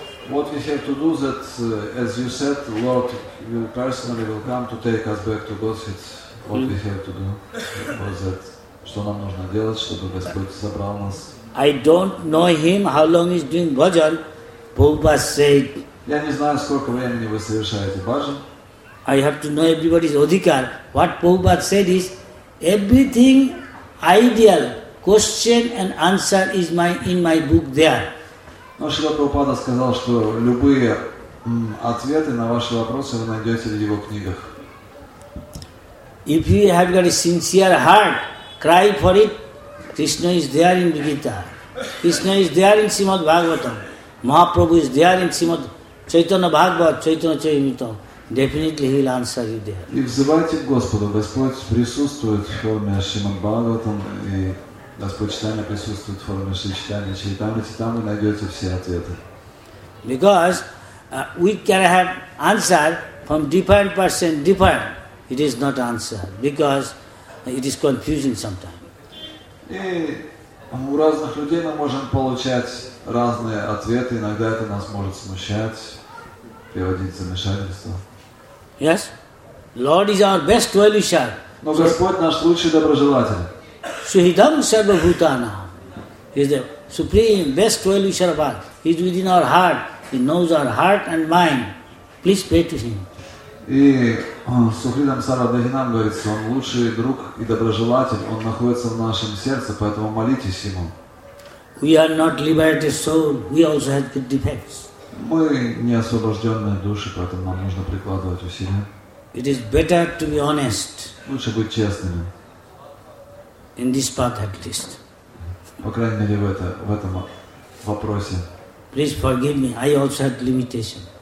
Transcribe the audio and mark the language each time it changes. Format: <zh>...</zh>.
<en>What we have to do that, as you said, Lord, you personally will come to take us back to Godhead. What we have to do was that,</en> <ru>что нам нужно делать, чтобы Господь собрал нас.</ru> <en>I don't know him, how long he's doing bhajan. Prabhupada said,</en> <ru>я не знаю, сколько времени вы совершаете bhajan.</ru> <en>I have to know everybody's adhikar. What Prabhupada said is, everything ideal, question and answer is in my book there.</en> <ru>Но Шрила Прабхупада сказал, что любые ответы на ваши вопросы вы найдете в его книгах.</ru> <en>If you have got a sincere heart, cry for it. Krishna is there in Gita. Krishna is there in Srimad Bhagavatam. Mahaprabhu is there in Srimad Chaitanya Bhagavatam, Chaitanya Charitamritam. Definitely He will answer you there.</en> <ru>И взывайте к Господу. Господь присутствует в форме Шримад Бхагаватам и Господь Читания присутствует в форме Шри Читания Чайтамрити. Там вы найдете все ответы.</ru> <en>Because we can have answer from different person, different. It is not answer. Because it is confusing sometimes.</en> <ru>И у разных людей мы можем получать разные ответы, иногда это нас может смущать, приводить в замешательство.</ru> <en>Yes? Lord is our best well-wisher.</en> <ru>Но Господь наш лучший доброжелатель.</ru> <sa>Suhidam Sarvabhutana.</sa> <en>He is the supreme best well-wisher of all. He is within our heart. He knows our heart and mind. Please pray to Him.</en> <ru>И Сухридам Сарвабхутанам говорится, он лучший друг и доброжелатель, он находится в нашем сердце, поэтому молитесь ему.</ru> <en>We are not liberated soul, we also have good defects.</en> <ru>Мы не освобожденные души, поэтому нам нужно прикладывать усилия.</ru> <en>It is better to be honest.</en> <ru>Лучше быть честными.</ru> <en>In this path at least.</en> <ru>По крайней мере в этом вопросе.</ru> <en>Please forgive me, I also had limitation.</en>